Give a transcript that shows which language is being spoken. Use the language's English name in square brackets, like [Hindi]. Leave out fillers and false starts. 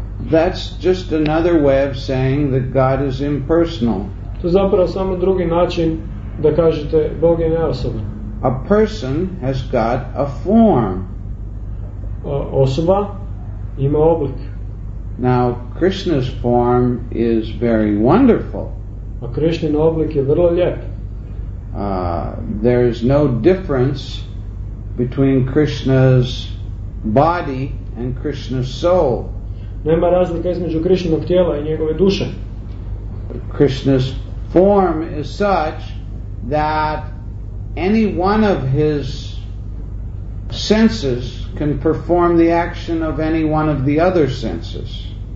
[English] That's just another way of saying that God is impersonal. [Croatian] To je zapravo samo drugi način da kažete Bog je neosoban. [English] A person has got a form. [Croatian] Osoba ima oblik. [English] Now Krishna's form is very wonderful. [Croatian] A Krishnin oblik je vrlo lijep. [English] There is no difference between Krishna's body and Krishna's soul. [Croatian] Nema razlike između Krishnog tijela i njegove duše. [English] Krishna's form is such that any one of his senses can perform the action of any one of the other senses.